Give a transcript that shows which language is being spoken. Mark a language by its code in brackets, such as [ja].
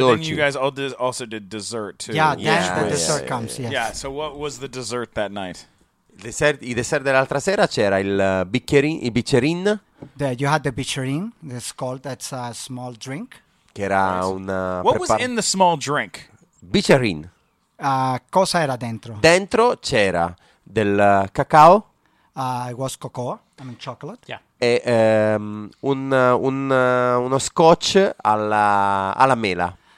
[en] But then you guys also did dessert too. Yeah, yes. The dessert comes. Yes. Yeah. So what was the dessert that night? [it] I dessert dell'altra sera c'era il bicchierin, I bicerin. [en] You had the bicerin, it's called, that's a small drink. [it] Che era una [en] What was in the small drink? [it] Bicerin. Cosa era dentro? Dentro c'era del cacao. [en] It was cocoa, I mean chocolate. Yeah. [it] E uno scotch alla mela.